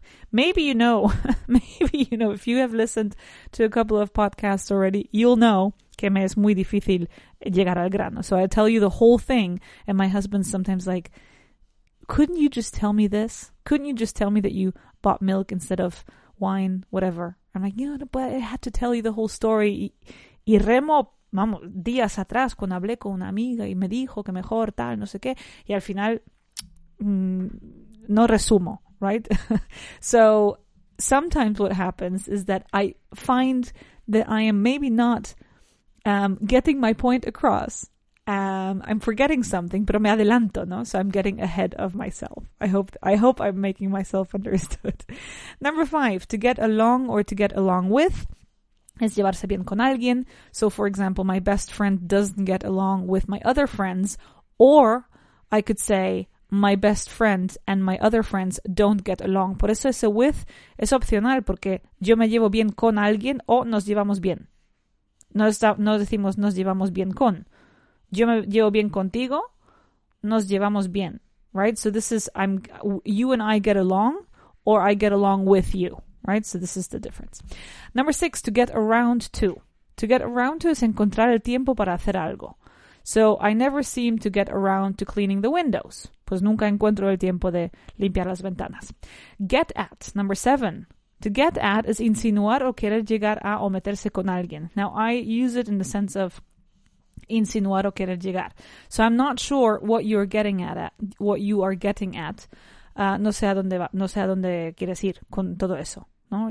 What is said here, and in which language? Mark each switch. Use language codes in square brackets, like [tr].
[en] Maybe you know, if you have listened to a couple of podcasts already, you'll know [es] que me es muy difícil llegar al grano. [en] So I tell you the whole thing, and my husband's sometimes like, couldn't you just tell me this? Couldn't you just tell me that you bought milk instead of wine, whatever. I'm like, you know, but I had to tell you the whole story. [es] Y remo, vamos, días atrás cuando hablé con una amiga y me dijo que mejor tal, no sé qué. Y al final, no resumo, right? [en] So sometimes what happens is that I find that I am maybe not getting my point across. I'm forgetting something, [es] pero me adelanto, ¿no? [en] So I'm getting ahead of myself. I hope I'm making myself understood. Number five, to get along or to get along with [es] es llevarse bien con alguien. [en] So for example, my best friend doesn't get along with my other friends, or I could say my best friend and my other friends don't get along. [es] Por eso ese with es opcional, porque yo me llevo bien con alguien o nos llevamos bien. No decimos nos llevamos bien con. Yo me llevo bien contigo, nos llevamos bien. [en] Right? So this is, you and I get along, or I get along with you. Right? So this is the difference. Number six, to get around to. To get around to is [es] encontrar el tiempo para hacer algo. [en] So I never seem to get around to cleaning the windows. [es] Pues nunca encuentro el tiempo de limpiar las ventanas. [en] Get at, number seven. To get at is [es] insinuar o querer llegar a o meterse con alguien. [en] Now I use it in the sense of [es] insinuar o querer llegar. [en] So I'm not sure what you're getting at, what you are getting at. [es] No sé a dónde quieres ir con todo eso, ¿no?